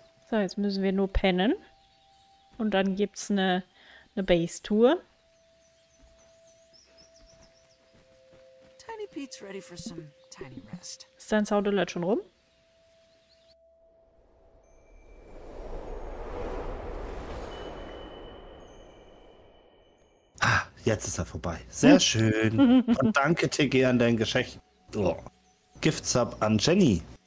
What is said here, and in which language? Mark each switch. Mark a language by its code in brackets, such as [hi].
[de] So, jetzt müssen wir nur pennen. Und dann gibt's eine Base-Tour. [en] Tiny Pete's ready for some tiny rest. [de] Ist dein Sound-Alert schon rum? Ah, jetzt ist er vorbei. Sehr schön. Und danke, TG, an dein Geschenk. Oh. Gift-Sub an Jenny.